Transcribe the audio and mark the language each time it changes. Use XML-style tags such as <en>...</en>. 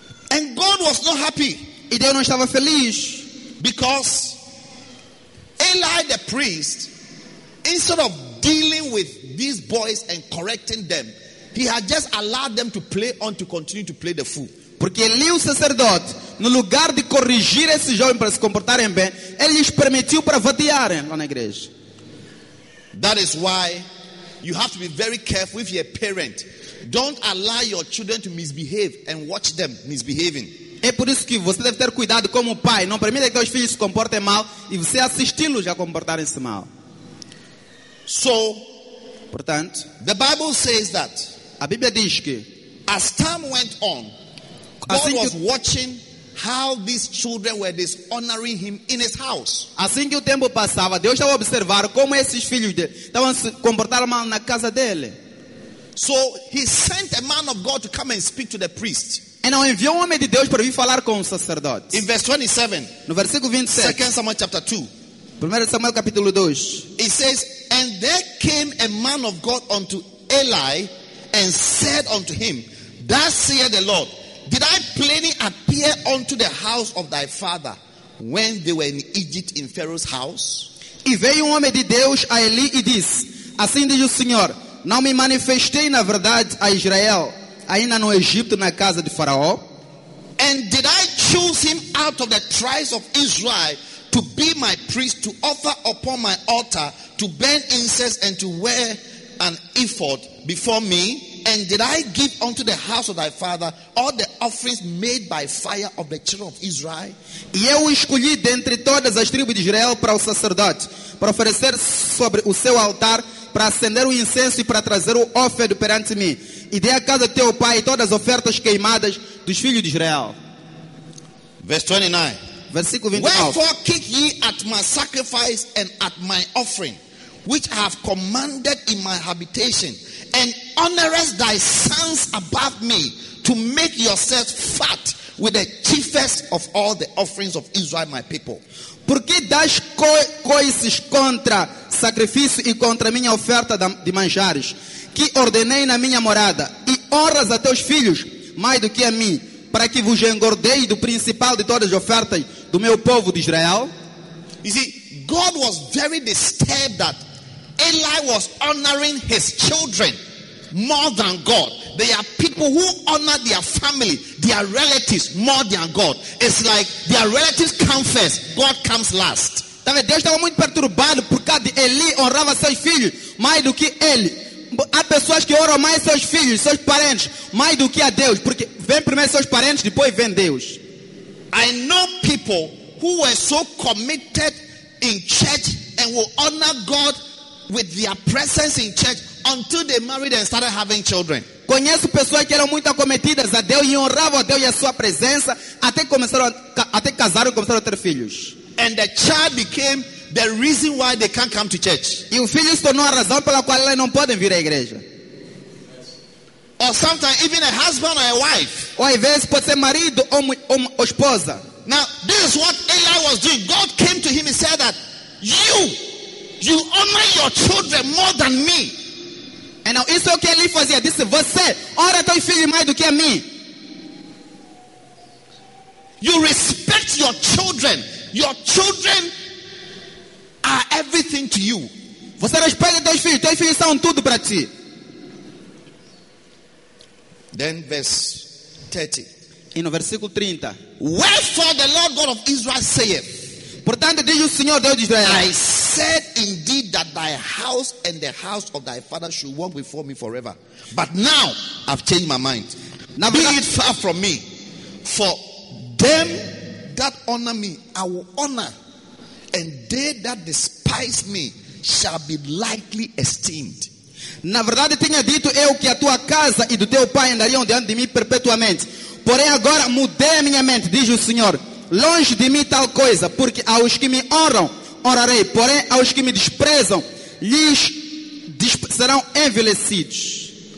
<en>And God was not happy.</en> <pt>E Deus não estava feliz.</pt> <en>Because Eli the priest, instead of dealing with these boys and correcting them, he had just allowed them to play on to continue to play the fool.</en> <pt>Porque Eli o sacerdote, no lugar de corrigir esses jovens para se comportarem bem, ele lhes permitiu para vadiarem lá na igreja.</pt> <en>That is why you have to be very careful if you're a parent. Don't allow your children to misbehave and watch them misbehaving.</en> <pt>É por isso que você deve ter cuidado como pai. Não permita que os filhos se comportem mal e você assisti-los a comportarem-se mal.</pt> <en>So,</en> <pt>portanto,</pt> <en>the Bible says that,</en> <pt>a Bíblia diz que,</pt> <en>as time went on, God</en> <pt>assim</pt> <en>was</en> <pt>que,</pt> <en>watching how these children were dishonoring him in his house.</en> <pt>Assim que o tempo passava, Deus estava a observar como esses filhos dele estavam a se comportar mal na casa dele.</pt> <en>So he sent a man of God to come and speak to the priest.</en> <pt>E não enviou um homem de Deus para vir falar com o sacerdote.</pt> <en>In verse 27,</en> <pt>no versículo 27,</pt> <en>2 Samuel chapter 2.</en> <pt>1 Samuel capítulo 2.</pt> <en>It says, and there came a man of God unto Eli and said unto him, thus saith the Lord, did I plainly appear unto the house of thy father when they were in Egypt in Pharaoh's house?</en> <pt>E veio um homem de Deus a Eli e disse, assim diz o Senhor, não me manifestei na verdade a Israel ainda no Egito na casa de Faraó?</pt> <en>And did I choose him out of the tribes of Israel to be my priest, to offer upon my altar, to burn incense and to wear an ephod before me? And did I give unto the house of thy father all the offerings made by fire of the children of Israel?</en> <pt>E eu escolhi dentre todas as tribos de Israel para o sacerdote, para oferecer sobre o seu altar, para acender o incenso e para trazer o ofedo perante mim. E dei a casa do teu pai todas as ofertas queimadas dos filhos de Israel.</pt> <en>Verse 29.</en> <pt>Versículo 29.</pt> <en>Wherefore kick ye at my sacrifice and at my offering, which I have commanded in my habitation, and honorest thy sons above me, to make yourselves fat with the chiefest of all the offerings of Israel, my people.</en> <pt>Por que das coisas contra sacrifício e contra minha oferta de manjares, que ordenei na minha morada, e honras a teus filhos mais do que a mim, para que vos engordei do principal de todas as ofertas do meu povo de Israel?</pt> <en>You see, God was very disturbed that Eli was honoring his children more than God. They are people who honor their family, their relatives more than God. It's like their relatives come first, God comes last.</en> <pt>Deus estava muito perturbado por causa de Eli honrava seus filhos mais do que ele. Há pessoas que honram mais seus filhos, seus parentes, mais do que a Deus, porque vem primeiro seus parentes, depois vem Deus.</pt> <en>I know people who were so committed in church and will honor God with their presence in church until they married and started having children.</en> <pt>Conheço pessoas que eram muito acometidas a Deus e honravam a Deus e a sua presença até casaram e começaram a ter filhos.</pt> <en>And the child became the reason why they can't come to church.</en> <pt>E o filho se tornou a razão pela qual eles não podem vir à igreja.</pt> <en>Or sometimes even a husband or a wife.</en> <pt>Ou às vezes pode ser marido ou esposa.</pt> <en>Now, this is what Eli was doing. God came to him and said that you honor your children more than me. And now</en> <pt>isso que Eli fazia, disse, você honra teu filho mais do que a mim.</pt> <en>You respect your children. Your children are everything to you.</en> <pt>Você respeita teus filhos. Teus filhos são tudo para ti.</pt> <en>Then verse 30.</en> <pt>E no versículo 30.</pt> <en>Wherefore the Lord God of Israel saith.</en> <pt>Portanto, diz o Senhor Deus de Israel.</pt> <en>I said indeed that thy house and the house of thy father should walk before me forever. But now I've changed my mind. Now be it far from me. For them that honor me, I will honor. And they that despise me shall be lightly esteemed.</en> <pt>Na verdade tinha dito eu que a tua casa e do teu pai andariam diante de mim perpetuamente. Porém agora mudei a minha mente, diz o Senhor. Longe de mim tal coisa, porque aos que me honram, honrarei. Porém aos que me desprezam, lhes serão envelhecidos.</pt>